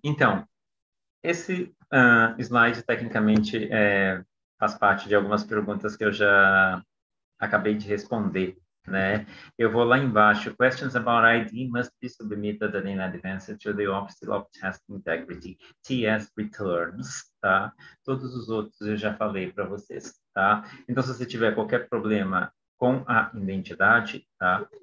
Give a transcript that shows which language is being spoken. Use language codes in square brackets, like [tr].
[pt] Então, esse slide, tecnicamente, faz parte de algumas perguntas que eu já acabei de responder, né? Eu vou lá embaixo. [en] Questions about ID must be submitted in advance to the Office of Test Integrity, TS Returns, tá? [pt] Todos os outros eu já falei para vocês, tá? Então, se você tiver qualquer problema com a identidade, tá?